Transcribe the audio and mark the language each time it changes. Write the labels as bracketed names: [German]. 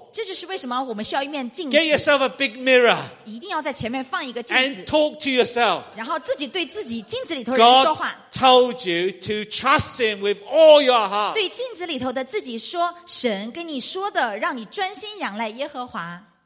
[Chinese] 这就是为什么我们需要一面镜子 [English] Get yourself a big mirror. [Chinese] 一定要在前面放一个镜子 [English] And talk to yourself. [Chinese] 然后自己对自己镜子里头人说话 [English] Told you to trust him with all your heart. [Chinese] 对镜子里头的自己说，神跟你说的，让你专心仰赖耶和华。